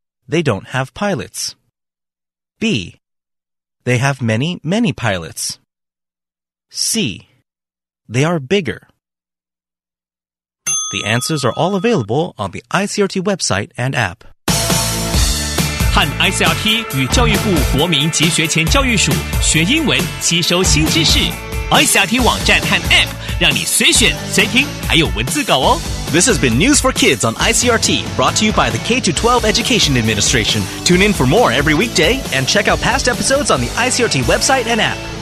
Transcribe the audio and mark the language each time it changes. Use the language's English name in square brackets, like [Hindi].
[English] They don't have pilots. B. They have many, many pilots. C. They are bigger. The answers are all available on the ICRT website and app. [Chinese] 和 ICRT 与教育部国民及学前教育署学英文，吸收新知识。 ICRT 网站和 app 让你随选随听，还有文字稿哦。 [English] This has been News for Kids on ICRT, brought to you by the K-12 Education Administration. Tune in for more every weekday and check out past episodes on the ICRT website and app.